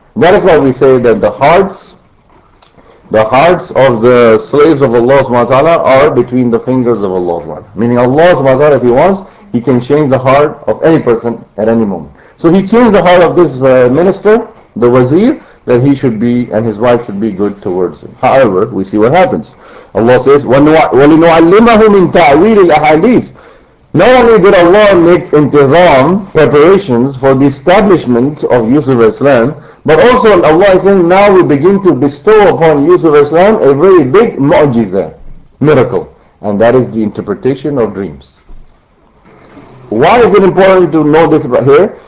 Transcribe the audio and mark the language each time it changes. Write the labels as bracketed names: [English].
[English] That is why we say that the hearts of the slaves of Allah subhanahu wa ta'ala are between the fingers of Allah subhanahu wa ta'ala. Meaning Allah subhanahu wa ta'ala, if he wants, he can change the heart of any person at any moment. So he changed the heart of this minister, the wazir, that he should be and his wife should be good towards him. However, we see what happens. Allah says, [Arabic] وَلِنُعَلِّمَهُ مِنْ تَعْوِيلِ الْأَحَادِيثِ. [English] Not only did Allah make intizam, preparations for the establishment of Yusuf al-Islam, but also Allah is saying, now we begin to bestow upon Yusuf al-Islam a very big mu'jiza, miracle. And that is the interpretation of dreams. Why is it important to know this here?